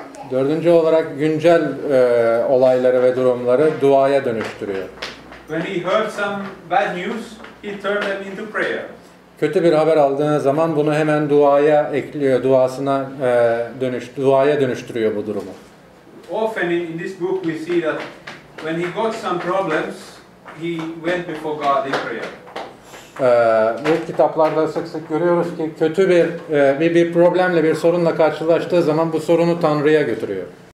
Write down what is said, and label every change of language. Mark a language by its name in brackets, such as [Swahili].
[Turkish] Dördüncü olarak güncel olayları ve durumları duaya dönüştürüyor. [English] When he heard some bad news, he turned them into prayer. [Turkish] Kötü bir haber aldığı zaman bunu hemen duaya ekliyor, duaya dönüştürüyor bu durumu. [English] Often in this book we see that when he got some problems, he went before God in prayer. [Turkish] Bu kitaplarda sık sık görüyoruz ki kötü bir problemle, bir sorunla karşılaştığı zaman bu sorunu Tanrı'ya götürüyor.